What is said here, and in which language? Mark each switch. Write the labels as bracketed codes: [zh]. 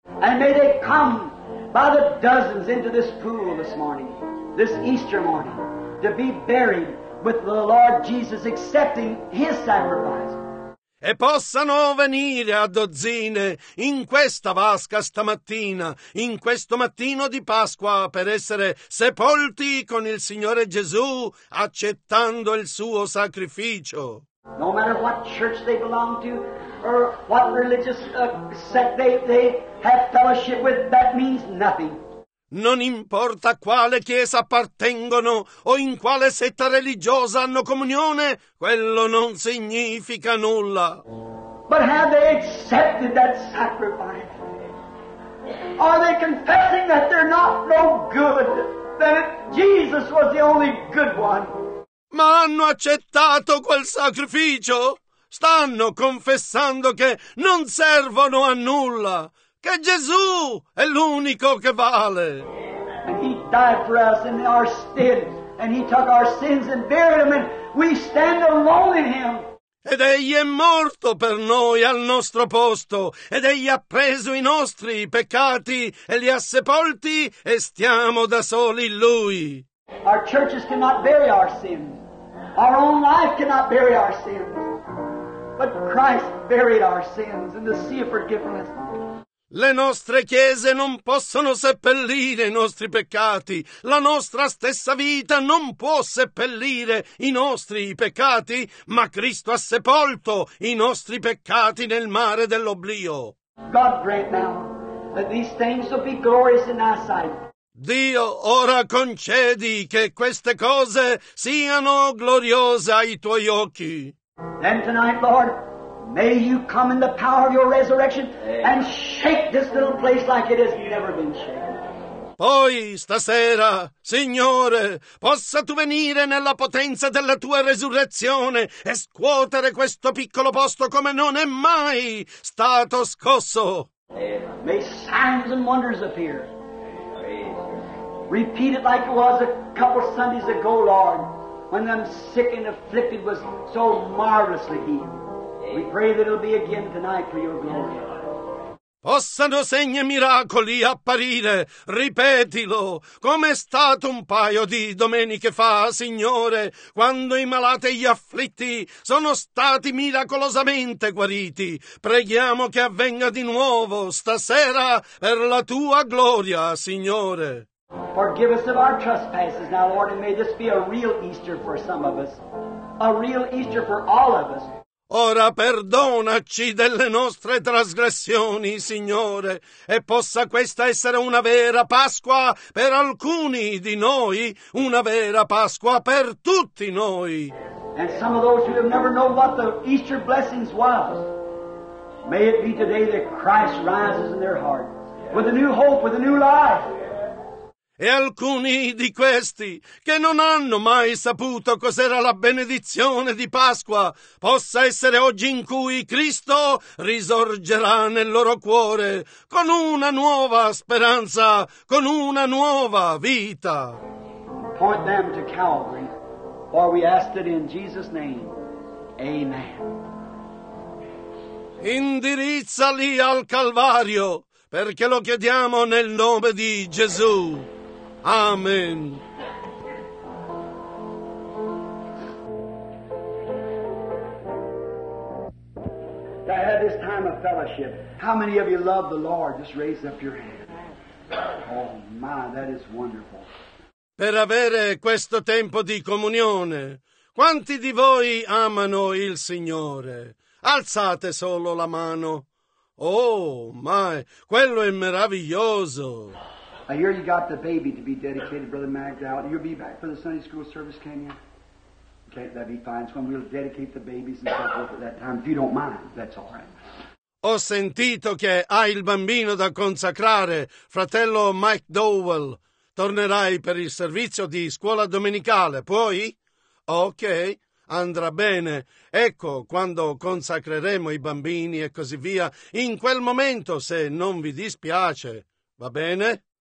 [en] And may they come by the dozens into this pool this morning. This Easter morning, to be buried with the Lord Jesus, accepting His sacrifice. [it] E possano venire a dozzine in questa vasca stamattina, in questo mattino di Pasqua, per essere sepolti con il Signore Gesù, accettando il suo sacrificio. [en] No matter what church they belong to, or what religious sect they have fellowship with, that means nothing. [it] Non importa a quale chiesa appartengono o in quale setta religiosa hanno comunione, quello non significa nulla. [en] But have they accepted that sacrifice? Are they confessing that they're not no good? That Jesus was the only good one? [it] Ma hanno accettato quel sacrificio? Stanno confessando che non servono a nulla, che Gesù è l'unico che vale. [en] And he died for us in our stead, and he took our sins and buried them, and we stand alone in him. [it] Ed egli è morto per noi al nostro posto, ed egli ha preso i nostri peccati e li ha sepolti, e stiamo da soli in lui. [en] Our churches cannot bury our sins. Our own life cannot bury our sins. But Christ buried our sins in the sea of forgiveness. [it] Le nostre chiese non possono seppellire i nostri peccati. La nostra stessa vita non può seppellire i nostri peccati, ma Cristo ha sepolto i nostri peccati nel mare dell'oblio. [en] God grant now that these things will be glorious in our sight. [it] Dio, ora concedi che queste cose siano gloriose ai tuoi occhi. [en] Then tonight, Lord, may you come in the power of your resurrection and shake this little place like it has never been shaken. [it] Poi stasera, Signore, possa tu venire nella potenza della tua resurrezione e scuotere questo piccolo posto come non è mai stato scosso. [en] May signs and wonders appear. Repeat it like it was a couple Sundays ago, Lord, when them sick and afflicted was so marvelously healed. We pray that it'll be again tonight for your glory. [it] Possano segni e miracoli apparire, ripetilo, come è stato un paio di domeniche fa, Signore, quando i malati e gli afflitti sono stati miracolosamente guariti. Preghiamo che avvenga di nuovo stasera per la tua gloria, Signore. [en] Forgive us of our trespasses now, Lord, and may this be a real Easter for some of us, a real Easter for all of us. [it] Ora perdonaci delle nostre trasgressioni, Signore, e possa questa essere una vera Pasqua per alcuni di noi, una vera Pasqua per tutti noi. [en] And some of those who have never known what the Easter blessings was, may it be today that Christ rises in their heart with a new hope, with a new life. [it] E alcuni di questi che non hanno mai saputo cos'era la benedizione di Pasqua, possa essere oggi in cui Cristo risorgerà nel loro cuore con una nuova speranza, con una nuova vita. [en] Point them to Calvary, for we ask it in Jesus' name. Amen. [it] Indirizzali al Calvario, perché lo chiediamo nel nome di Gesù. Amen. [en] To have this time of fellowship, how many of you love the Lord? Just raise up your hand. Oh my, that is wonderful. [it] Per avere questo tempo di comunione, quanti di voi amano il Signore? Alzate solo la mano. [en] Oh my, [it] quello è meraviglioso. [en] I hear you got the baby to be dedicated, Brother Magdal. You'll be back for the Sunday school service, can you? Okay, that'd be fine. So we'll dedicate the babies and stuff over that time. If you don't mind, that's all right. [it] Ho sentito che hai il bambino da consacrare, fratello McDowell. Tornerai per il servizio di scuola domenicale, puoi? Ok, andrà bene. Ecco, quando consacreremo i bambini e così via, in quel momento, se non vi dispiace, va bene?